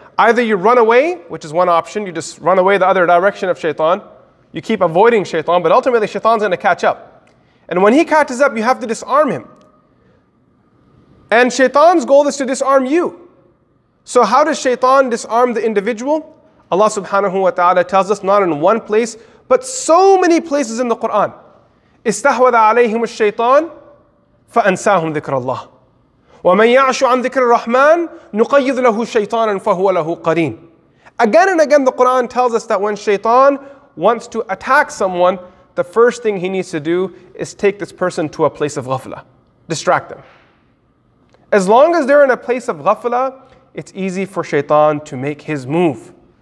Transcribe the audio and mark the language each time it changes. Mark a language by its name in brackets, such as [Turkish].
[English] Either you run away, which is one option, you just run away the other direction of shaitan, you keep avoiding shaitan, but ultimately shaitan's going to catch up. And when he catches up, you have to disarm him. And shaitan's goal is to disarm you. So how does shaitan disarm the individual? Allah subhanahu wa ta'ala tells us, not in one place, but so many places in the Quran. [Arabic] استحوذ عليهم الشيطان فأنساهم ذكر الله ومن يعش عن ذكر الرحمن نقيض له شيطانا فهو له قرين. [English] Again and again the Quran tells us that when shaitan wants to attack someone, the first thing he needs to do is take this person to a place of ghafla. Distract them. As long as they're in a place of ghafla, it's easy for shaitan to make his move.